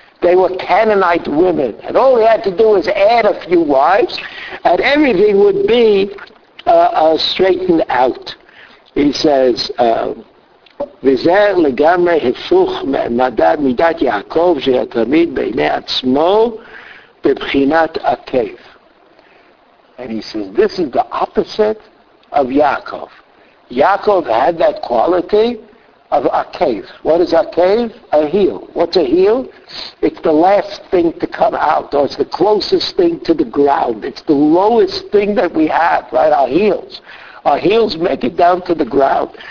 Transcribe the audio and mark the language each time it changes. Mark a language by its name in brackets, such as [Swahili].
[English] They were Canaanite women. And all he had to do was add a few wives, and everything would be straightened out. He says, [Hebrew] וזה לגמרי הפוך מדד מידת יעקב שהתמיד בעיני עצמו בבחינת עקב. [English] And he says, this is the opposite of Yaakov. Yaakov had that quality of עקב. What is עקב? A heel. What's a heel? It's the last thing to come out, or it's the closest thing to the ground. It's the lowest thing that we have, right? Our heels. Our heels make it down to the ground.